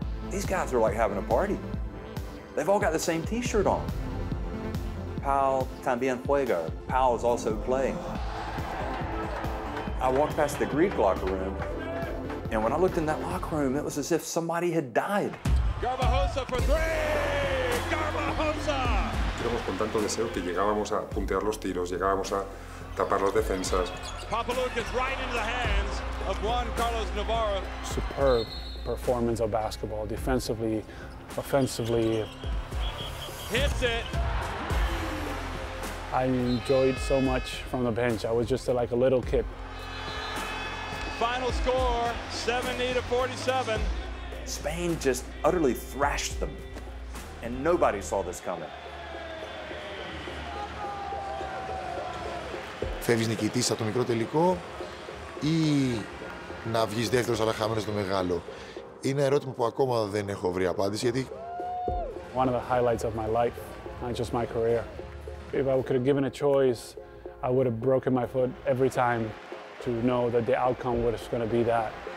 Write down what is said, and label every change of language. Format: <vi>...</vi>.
<en>These guys are like having a party. They've all got the same t-shirt on.</en> <es>Pau también juega.</es> <en>Pau is also playing. I walked past the Greek locker room, and when I looked in that locker room, it was as if somebody had died. Garbajosa for three! Garbajosa!</en> <es>Éramos con tanto deseo que llegábamos a puntear los tiros, llegábamos a tapar las defensas.</es> <en>Papaloukas right into the hands of Juan Carlos Navarro. Superb performance of basketball, defensively, offensively. Hits it. I enjoyed so much from the bench. I was just like a little kid. Final score, 70-47. Spain just utterly thrashed them, and nobody saw this coming.</en> <el>Φεύγεις νικητής από το μικρό τελικό ή να βγεις δεύτερος αλλά χαμένος στο μεγάλο. Είναι ένα ερώτημα που ακόμα δεν έχω βρει απάντηση γιατί.</el> <en>One of the highlights of my life, not just my career. If I could have given a choice, I would have broken my foot every time to know that the outcome was going to be that.</en>